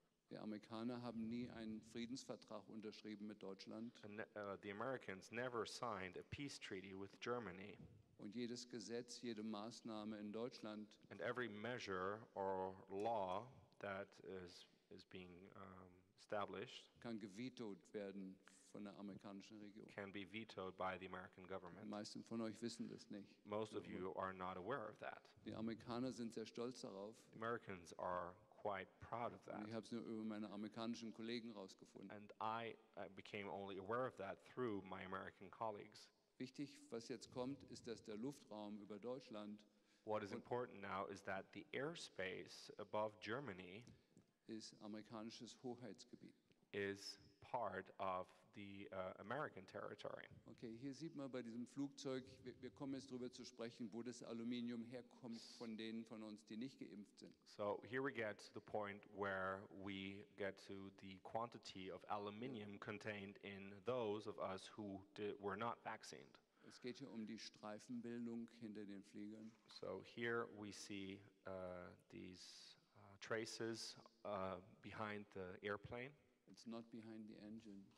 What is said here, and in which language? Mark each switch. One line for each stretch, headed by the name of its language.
German: Die Amerikaner haben nie einen Friedensvertrag unterschrieben mit Deutschland.
English: The Americans never signed a peace treaty with Germany.
German: Und jedes Gesetz, jede Maßnahme in Deutschland.
English: And every measure or law that is being established
German: kann gevetoed werden von der amerikanischen Regierung.
English: Can be vetoed by the American government.
German: Die meisten von euch wissen das nicht.
English: Most of you are not aware of that.
German: Die Amerikaner sind sehr stolz darauf.
English: The Americans are quite proud of that.
German: Ich habe es nur über meine amerikanischen Kollegen rausgefunden.
English: And I became only aware of that through my American colleagues.
German: Wichtig, was jetzt kommt, ist, dass der Luftraum über Deutschland.
English: What is important now is that the airspace above Germany
German: ist amerikanisches Hoheitsgebiet.
English: Is part of the American territory.
German: Okay, hier sieht man bei diesem Flugzeug, wir kommen jetzt drüber zu sprechen, wo das Aluminium herkommt von denen von uns, die nicht geimpft sind.
English: So here we get to the point where we get to the quantity of aluminium contained in those of us who were not vaccinated.
German: Es geht hier um die Streifenbildung hinter den Fliegern.
English: So here we see these traces behind the airplane. It's not behind the engine.